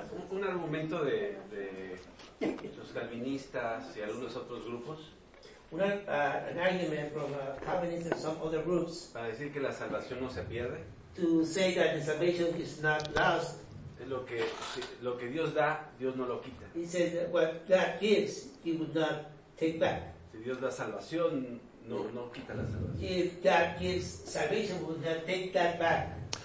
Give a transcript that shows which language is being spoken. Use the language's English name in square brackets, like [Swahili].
[Spanish] Un argumento de los calvinistas y algunos otros grupos. [English] An argument from Calvinists and some other groups. [Spanish] Para decir que la salvación no se pierde. [English] To say that the salvation is not lost. [Spanish] Lo que Dios da, Dios no lo quita. [English] He says that what God gives, He would not take back. [Spanish] Si Dios da salvación, no quita la salvación. [English] If God gives salvation, we'll not take that back.